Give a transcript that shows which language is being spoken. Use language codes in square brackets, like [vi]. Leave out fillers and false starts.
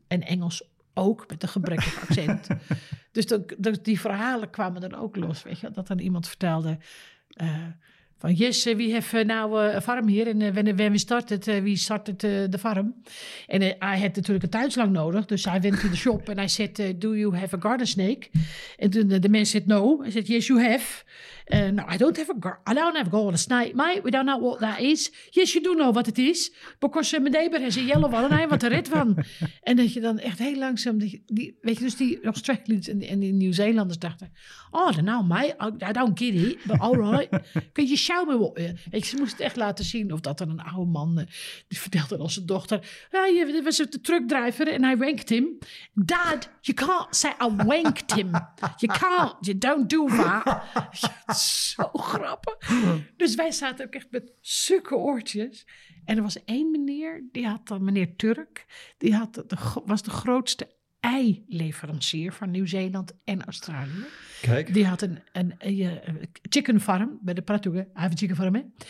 [nl] En Engels ook, met een gebrekkig accent. Dus die verhalen kwamen dan ook los, weet je. Dat dan iemand vertelde van, [en] yes, we have now a farm [nl] hier. [en] En when we started, we started de farm. [nl] En [en] I had [nl] natuurlijk een tuinslang nodig. [en] Dus I went to the shop en I said, do you have a garden snake? [nl] En toen de man [en] said, no. I said, yes, you have. No, I don't have a garden. I don't have a garden snake, mate. We don't know what that is. Yes, you do know what it is. Because my neighbor has a yellow one. [nl] En hij wat er red van. En dat je dan echt heel langzaam, die, weet je, dus die Australians en die Nieuw-Zeelanders dachten, oh, dan nou, [en] mate, I don't get it. But all right. [nl] Kun je [en] show me what, [nl] weet je, ze moest het echt laten zien. Of dat er een oude man, die vertelde aan zijn dochter, dat was de truckdriver en [en] I wanked him. Dad, you can't say I wanked him. You can't, you don't do that. [nl] Zo grappig. Dus wij zaten ook echt met sukke oortjes. En er was één meneer, die had dan, meneer Turk, die had was de grootste ei-leverancier van Nieuw-Zeeland en Australië. Kijk. Die had een chicken farm bij de Pratugen. Hij heeft een chicken farm, hè?